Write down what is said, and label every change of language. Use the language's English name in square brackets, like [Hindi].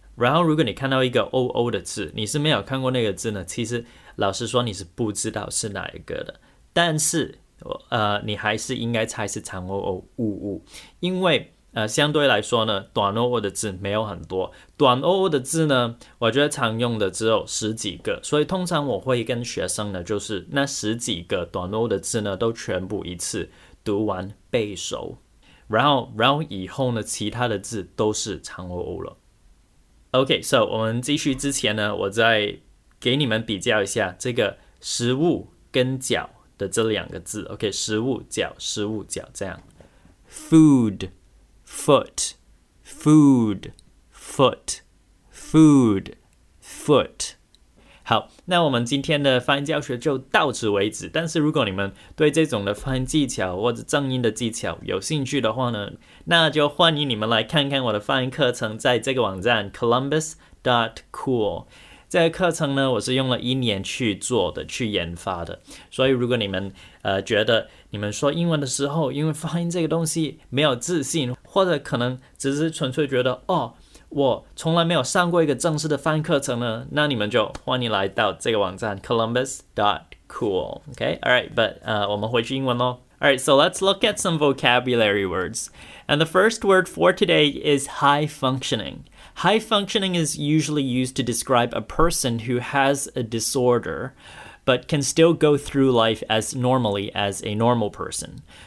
[Chinese] 然后如果你看到一个 oo 的字，你是没有看过那个字呢，其实老实说你是不知道是哪一个的，但是你还是应该猜是长 oo， 因为相对来说呢，短 oo 的字没有很多，短 oo 的字呢我觉得常用的只有十几个，所以通常我会跟学生呢，就是那十几个短 oo 的字呢都全部一次读完背熟，然后以后呢，其他的字都是长 oo 了。 OK， so 我们继续之前呢，我再给你们比较一下这个食物跟脚的这两个字。 OK， 食物脚，食物脚这样 ， [English] food， foot， food， foot， [Chinese] food， foot。好，那我们今天的发音教学就到此为止。但是如果你们对这种的发音技巧或者正音的技巧有兴趣的话呢，那就欢迎你们来看看我的发音课程，在这个网站 columbus.cool。这个课程呢，我是用了一年去做的，去研发的。所以如果你们觉得你们说英文的时候，因为发音这个东西没有自信，或者可能只是纯粹觉得哦，我从来没有上过一个正式的发音课程呢，那你们就欢迎来到这个网站 columbus.cool。 [English] Okay, alright, but [Chinese] 我们回去英文咯。 [English] Alright, so let's look at some vocabulary words. And the first word for today is high functioning. High functioning is usually used to describe a person who has a disorder, but can still go through life as normally as a normal person.